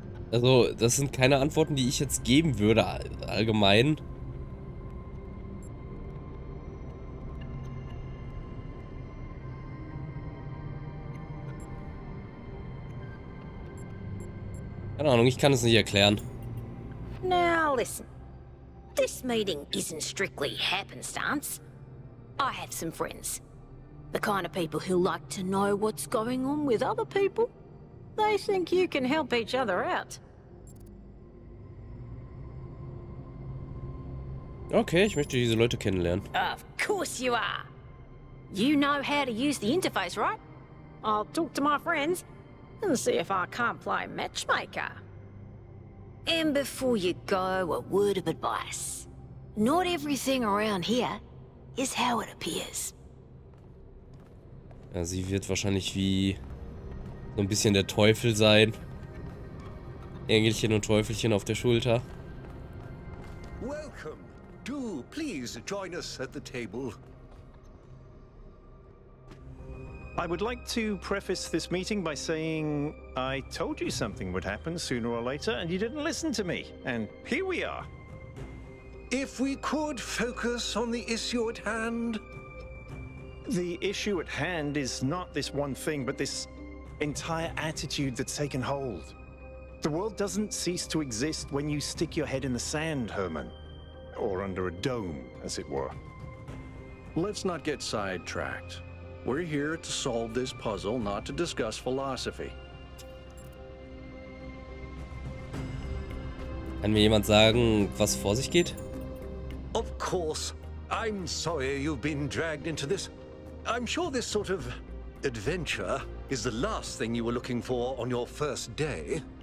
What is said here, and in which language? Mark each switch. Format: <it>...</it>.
<de>Also, das sind keine Antworten, die ich jetzt geben würde, allgemein. Keine Ahnung, ich kann es nicht erklären.</de> <en>Now listen. The this meeting isn't strictly happenstance. I have some friends. The kind of people who like to know what's going on with other people. They think you can help each other out.</en> <de>Okay, ich möchte diese Leute kennenlernen.</de> <en>Of course you are. You know how to use the interface, right? I'll talk to my friends and see if I can't play matchmaker. And before you go, a word of advice. Not everything around here is how it appears.</en> <de>Ja, sie wird wahrscheinlich wie so ein bisschen der Teufel sein. Engelchen und Teufelchen auf der Schulter.</de> <en>Welcome. Do please join us at the table. I would like to preface this meeting by saying I told you something would happen sooner or later and you didn't listen to me. And here we are. If we could focus on the issue at hand. The issue at hand is not this one thing, but this entire attitude that's taken hold. The world doesn't cease to exist when you stick your head in the sand, Herman. Or under a dome, as it were. Let's not get sidetracked. We're here to solve this puzzle, not to discuss philosophy.</en> <de>Kann mir jemand sagen, was vor sich geht?</de> <en>Of course. I'm sorry you've been dragged into this. I'm sure this sort of adventure is the last thing you were looking for on your first day.</en>